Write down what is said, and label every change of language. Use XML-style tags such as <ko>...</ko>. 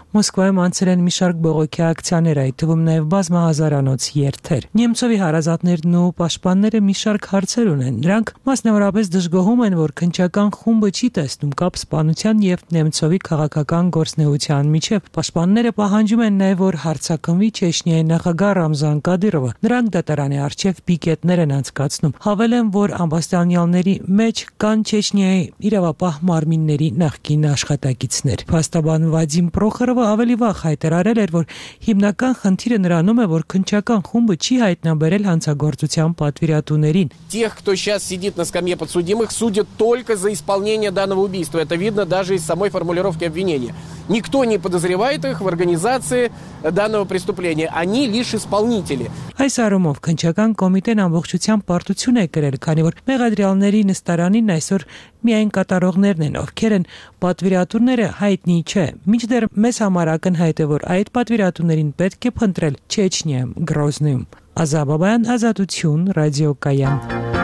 <hy>Մոսկվայում անցել են մի շարք բողոքի ակցիաներ, այդ թվում նաև բազմահազարանոց երթեր։ Նեմցովի հարազատներն ու պաշտպանները մի շարք հարցեր ունեն։ Նրանք մասնավորապես դժգոհում են, որ քնչական խումբը չի տեսնում կապ սպանության և Նեմցովի քաղաքական գործնեության միջև։ Պաշտպանները պահանջում են նաև, որ հարցակնվի Չեչնիայի նախագահ Ռամզան Կադիրովը։ Նրանք դատարանի առջև պիկետներ են անցկացնում։ Հավելեն, որ ամբաստանյալների մեջ կան Չեչնիայի իրավապահ մարմինների նախկին աշխատակիցներ։ Փաստաբան Վադիմ Պրոխորովը ավելի վաղ հայտարարել էր, որ հիմնական խնդիրը նրանում է, որ քնչական խումբը չի հայտնաբերել հանցագործության պատվիրատուներին։</hy> <ru>Тех, кто сейчас сидит на скамье подсудимых, судят только за исполнение данного убийства. Это видно даже из самой формулировки обвинения. Никто не подозревает их в организации данного преступления. Они лишь исполнители.</ru> <hy>Այս առումով քնչական կոմիտեն ամբողջությամբ պարտություն է կրել, քանի որ մեղադրյալների նստարանին այսօր միայն կատարողներն են, ովքեր են պատվիրատուները, հայտնի չէ։ Մինչդեռ մեզ համար ակնհայտ է, որ այդ պատվիրատուներին պետք է փնտրել Չեչնիայում, Գրոզնիում։ Ազա Բաբայան, Ազատություն, Ռադիո Կայան։</hy>